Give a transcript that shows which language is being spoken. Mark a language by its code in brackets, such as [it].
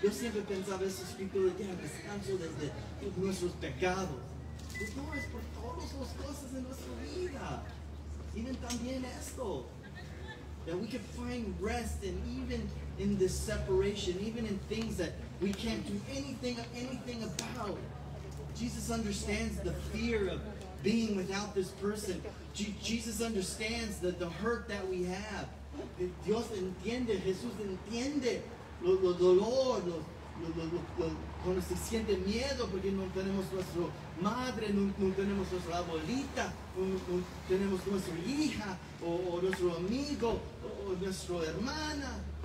[es] Yo siempre pensaba en esos tipos de días, descanso desde nuestros pecados. Pues no, es por todas las cosas en nuestra vida. Even también esto. [en] That we can find rest and even in this separation, even in things that we can't do anything about. Jesus understands the fear of being without this person. Jesus understands the hurt that we have. [es] Dios entiende, Jesús entiende lo dolor, lo cuando se siente miedo porque no tenemos nuestra madre, no tenemos nuestra abuelita, no tenemos nuestra hija, o nuestro amigo, o nuestra hermana.